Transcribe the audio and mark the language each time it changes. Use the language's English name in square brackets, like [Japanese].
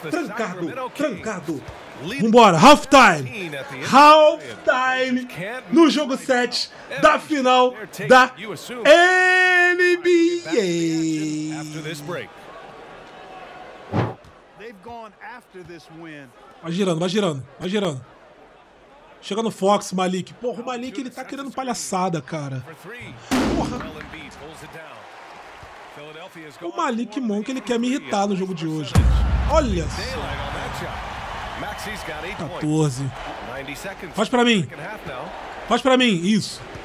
[Portuguese] Trancado! Vambora, Half time no jogo 7 da final da NBA. [English] They've gone after this win. [Portuguese] Vai girando, vai girando, vai girando. Chega no Fox, Malik. Porra, o Malik, ele tá querendo palhaçada, cara. Porra. O Malik Monk, ele quer me irritar no jogo de hoje. Olha só. 14. Faz pra mim. Faz pra mim, isso.